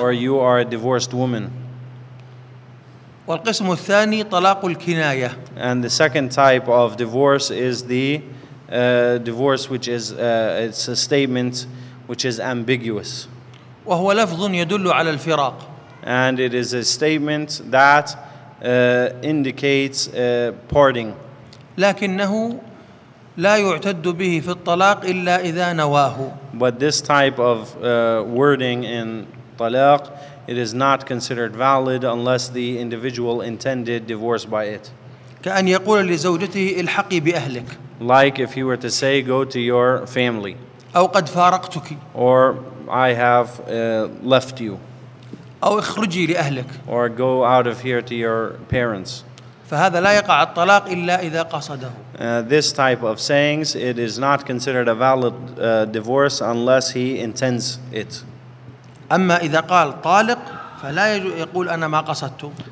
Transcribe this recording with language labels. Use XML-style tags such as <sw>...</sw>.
<en>Or you are a divorced woman.</en> <ar>والقسم الثاني طلاق الكناية.</ar> <en>And the second type of divorce is the divorce which is it's a statement which is ambiguous.</en> <ar>وهو لفظ يدل على الفراق</ar> <en>and it is a statement that indicates parting</en> <ar>لكنه لا يعتد به في الطلاق إلا إذا نواه</ar> <en>but this type of wording in طلاق it is not considered valid unless the individual intended divorce by it</en> <ar>كأن يقول لزوجته الحقي بأهلك</ar> <en>like if he were to say go to your family</en> <ar>أو قد فارقتك</ar> <en>or I have left you.</en> <ar>أو اخرجي لأهلك.</ar> <en>Or go out of here to your parents.</en> <ar>فهذا لا يقع الطلاق إلا إذا قصده.</ar> <en>This type of sayings, it is not considered a valid divorce unless he intends it.</en> <ar>أما إذا قال طالق فلا يقول أنا ما قصدته.</ar>